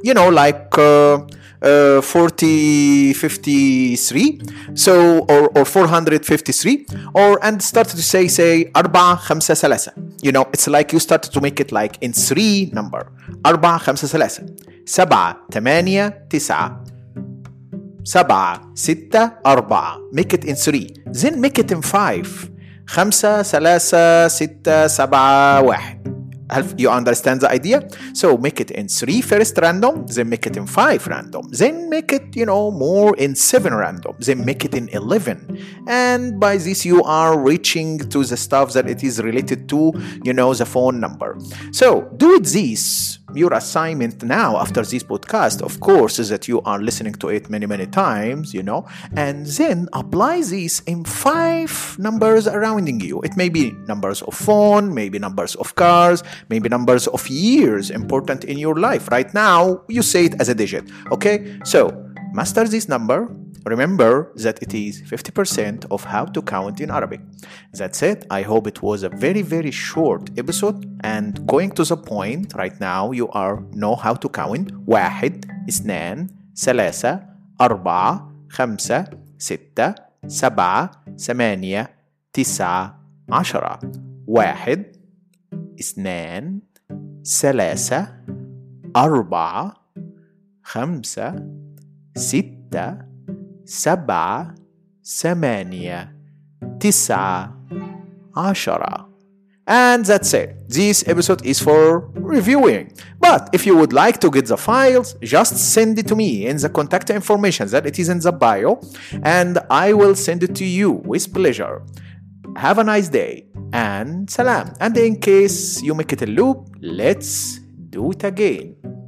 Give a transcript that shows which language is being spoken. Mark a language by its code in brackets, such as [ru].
[en] You know, like 40, 53. So, or 453. Or, and start to say 4, 5, 3. You know, it's like you start to make it like in 3 number. 4, 5, 3. 7, 8, 9. [ar] سبعة ستة أربعة [en] make it in three then make it in five [ar] خمسة ثلاثة ستة سبعة واحد [en] You understand the idea? So make it in three first random, then make it in five random, then make it, you know, more in seven random, then make it in 11. And by this, you are reaching to the stuff that it is related to, you know, the phone number. So do it this, your assignment now after this podcast, of course, is that you are listening to it many, many times, you know, and then apply this in five numbers surrounding you. It may be numbers of phone, maybe numbers of cars, maybe numbers of years important in your life. Right now, you say it as a digit. Okay, so master this number. Remember that it is 50% of how to count in Arabic. That's it. I hope it was a very, very short episode. And going to the point right now, you are know how to count. [ar] واحد, اثنان, ثلاثة, أربعة, خمسة, ستة, سبعة, ثمانية, تسعة, عشرة. واحد. اثنان ثلاثة أربعة خمسة ستة سبعة ثمانية تسعة عشرة [en] And that's it. This episode is for reviewing. But if you would like to get the files, just send it to me in the contact information that it is in the bio and I will send it to you with pleasure. Have a nice day and salam. And in case you make it a loop, let's do it again.